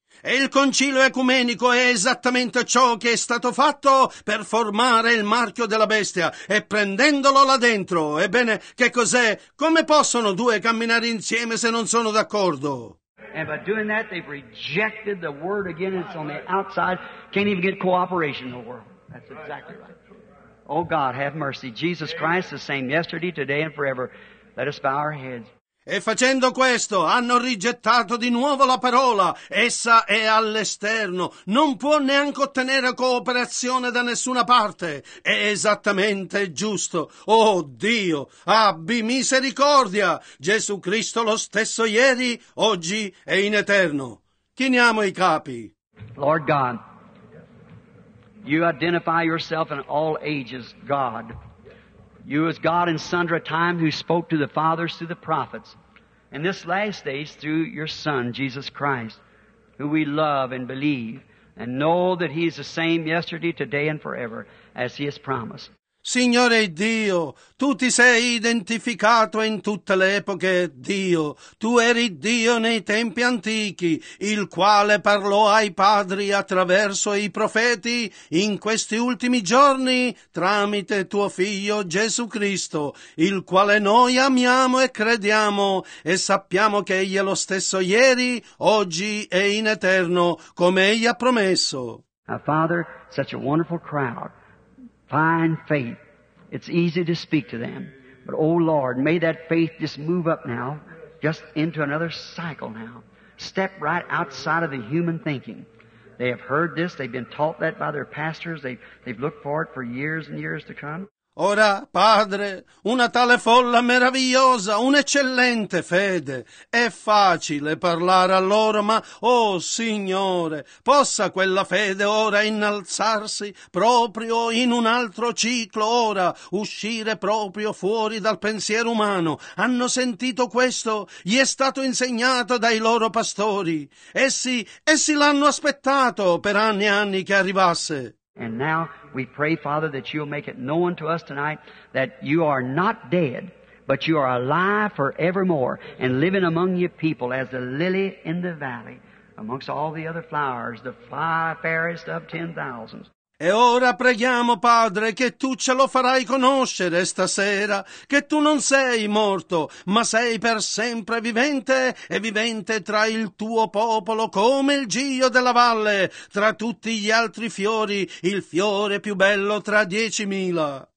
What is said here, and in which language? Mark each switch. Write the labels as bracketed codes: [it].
[it] E il concilio ecumenico è esattamente ciò che è stato fatto per formare il marchio della bestia e prendendolo là dentro. Ebbene, che cos'è? Come possono due camminare insieme se non sono d'accordo? [en] And by doing that they've rejected the word again. It's on the outside. Can't even get cooperation in the world. That's exactly right. Oh God, have mercy. Jesus Christ the same yesterday, today and forever. Let us bow our heads. [it] E facendo questo, hanno rigettato di nuovo la parola. Essa è all'esterno. Non può neanche ottenere cooperazione da nessuna parte. È esattamente giusto. Oh Dio, abbi misericordia. Gesù Cristo lo stesso ieri, oggi e in eterno. Chiniamo i capi. [en] Lord God, you identify yourself in all ages, God. You as God in sundry time who spoke to the fathers through the prophets. In this last days through your Son, Jesus Christ, who we love and believe and know that He is the same yesterday, today and forever as He has promised. [it] Signore Dio, Tu ti sei identificato in tutte le epoche, Dio. Tu eri Dio nei tempi antichi, il quale parlò ai padri attraverso i profeti in questi ultimi giorni tramite Tuo Figlio Gesù Cristo, il quale noi amiamo e crediamo e sappiamo che Egli è lo stesso ieri, oggi e in eterno, come Egli ha promesso. [en] Our Father, such a wonderful crowd. Find faith. It's easy to speak to them. But, oh, Lord, may that faith just move up now, just into another cycle now. Step right outside of the human thinking. They have heard this. They've been taught that by their pastors. They've looked for it for years and years to come. [it] Ora, Padre, una tale folla meravigliosa, un'eccellente fede. È facile parlare a loro, ma, oh Signore, possa quella fede ora innalzarsi proprio in un altro ciclo, ora uscire proprio fuori dal pensiero umano. Hanno sentito questo, gli è stato insegnato dai loro pastori. Essi l'hanno aspettato per anni e anni che arrivasse. [en] And now we pray, Father, that you'll make it known to us tonight that you are not dead, but you are alive forevermore and living among your people as the lily in the valley, amongst all the other flowers, the fairest of 10,000. [it] E ora preghiamo, Padre, che tu ce lo farai conoscere stasera, che tu non sei morto, ma sei per sempre vivente e vivente tra il tuo popolo come il giglio della valle, tra tutti gli altri fiori, il fiore più bello tra 10,000.